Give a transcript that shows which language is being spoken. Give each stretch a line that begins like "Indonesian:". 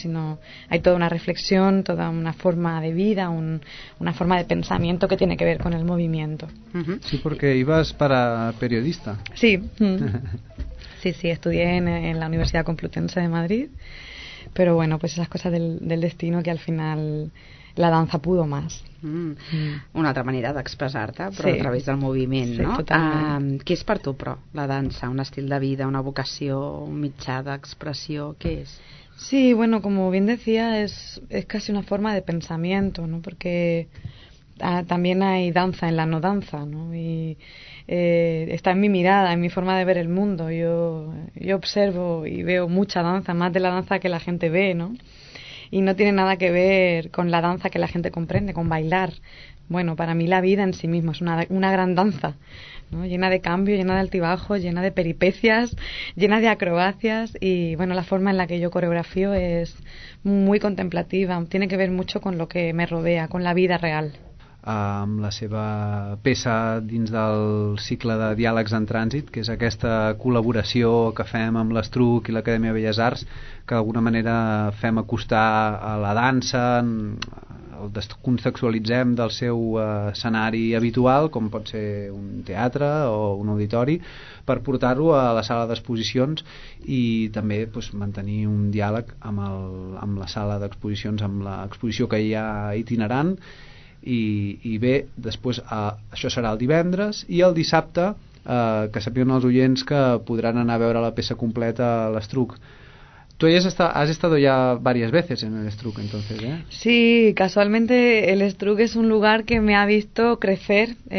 Spanish: Sino hay toda una reflexión, toda una forma de vida, una forma de pensamiento que tiene que ver con el movimiento. Sí, porque ibas para periodista. Sí. Sí, estudié en la Universidad Complutense de Madrid. Pero bueno, pues esas cosas del destino, que al final la danza pudo más.
Catalan: Una altra manera d'expressar-te, però sí, a través del moviment, sí, no? Totalment. Què és per tu, però, la dansa? Un estil de vida, una vocació, un mitjà d'expressió, què és?
Spanish: Sí, bueno, como bien decía, es casi una forma de pensamiento, ¿no? Porque también hay danza en la no danza, ¿no? Y está en mi mirada, en mi forma de ver el mundo. Yo observo y veo mucha danza, más de la danza que la gente ve, ¿no? Y no tiene nada que ver con la danza que la gente comprende, con bailar. Bueno, para mí la vida en sí misma es una gran danza, ¿no? Llena de cambio, llena de altibajos, llena de peripecias, llena de acrobacias. Y bueno, la forma en la que yo coreografío es muy contemplativa, tiene que ver mucho con lo que me rodea, con la vida real.
Catalan: Amb la seva peça dins del cicle de diàlegs en trànsit, que és aquesta col·laboració que fem amb l'Estruc i l'Acadèmia Belles Arts, que d'alguna manera fem acostar a la dansa, el descontextualitzem del seu escenari habitual, com pot ser un teatre o un auditori, per portar-ho a la sala d'exposicions i també, doncs, mantenir un diàleg amb la sala d'exposicions, amb l'exposició que hi ha itinerant. I bé, després això serà el divendres, i el dissabte, que sapien els oients que podran anar a veure la peça completa a l'Estruc.
Spanish: Tu has estado ya varias veces en el Estruc, entonces, ¿eh? Sí, casualmente el Estruc es un lugar que me ha visto crecer.